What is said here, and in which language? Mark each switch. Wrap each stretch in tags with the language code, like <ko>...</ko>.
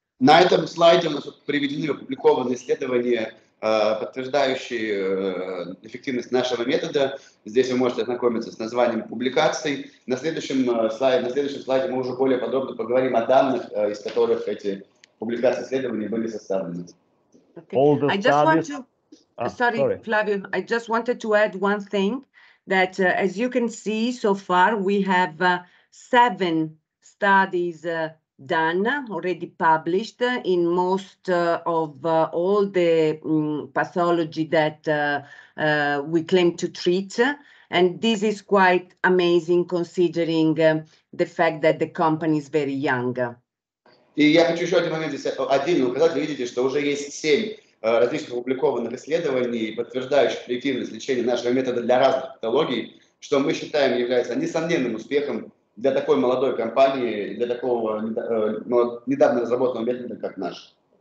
<ru>На этом слайде у нас приведены опубликованные исследования, подтверждающие эффективность нашего метода. Здесь вы можете ознакомиться с названием публикаций. На следующем слайде мы уже более подробно поговорим о данных, из которых эти</ru> <en>Okay. Flavio, I just wanted to add one thing that as you can see so far, we have seven studies done, already published in most of all the pathology that we claim to treat. And this is quite amazing considering the fact that the company is very young.</en> <ru>И я хочу еще один момент здесь указать. Вы видите, что уже есть семь различных опубликованных исследований, подтверждающих эффективность лечения нашего метода для разных патологий, что мы считаем является несомненным успехом для такой молодой компании, для такого недавно разработанного метода, как наш.</ru>